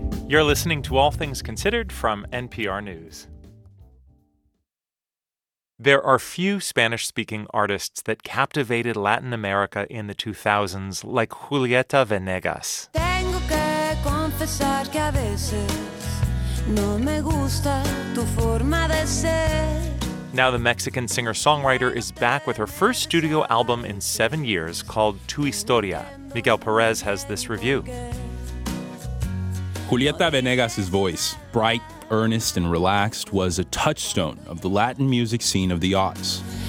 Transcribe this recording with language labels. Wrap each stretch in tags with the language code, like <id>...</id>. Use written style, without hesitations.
<en>You're listening to All Things Considered from NPR News. There are few Spanish-speaking artists that captivated Latin America in the 2000s like Julieta Venegas.</en> <es>Tengo que confesar que a veces no me gusta tu forma de ser.</es> <en>Now the Mexican singer-songwriter is back with her first studio album in 7 years called Tu Historia. Miguel Perez has this review. Julieta Venegas' voice, bright, earnest, and relaxed, was a touchstone of the Latin music scene of the aughts.</en>